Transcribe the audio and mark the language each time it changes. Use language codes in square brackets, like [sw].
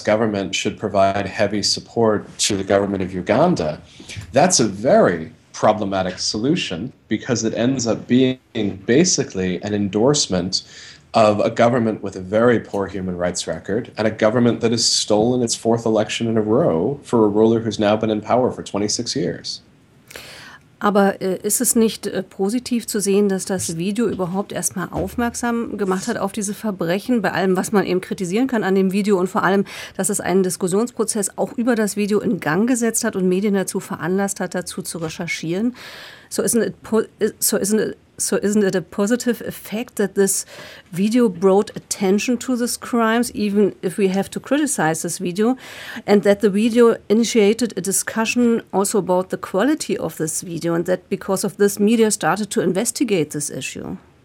[en] government should provide heavy support to the government of Uganda, that's a very problematic solution, because it ends up being basically an endorsement of a government with a very poor human rights record and a government that has stolen its fourth election in a row for a ruler who's now been in power for 26 years. [de] Aber ist es nicht positiv zu sehen, dass das Video überhaupt erstmal aufmerksam gemacht hat auf diese Verbrechen, bei allem, was man eben kritisieren kann an dem Video und vor allem, dass es einen Diskussionsprozess auch über das Video in Gang gesetzt hat und Medien dazu veranlasst hat, dazu zu recherchieren? [en] So isn't it a positive effect that this video brought attention to these crimes, even if we have to criticize this video, and that the video initiated a discussion also about the quality of this video, and that because of this, media started to investigate this issue?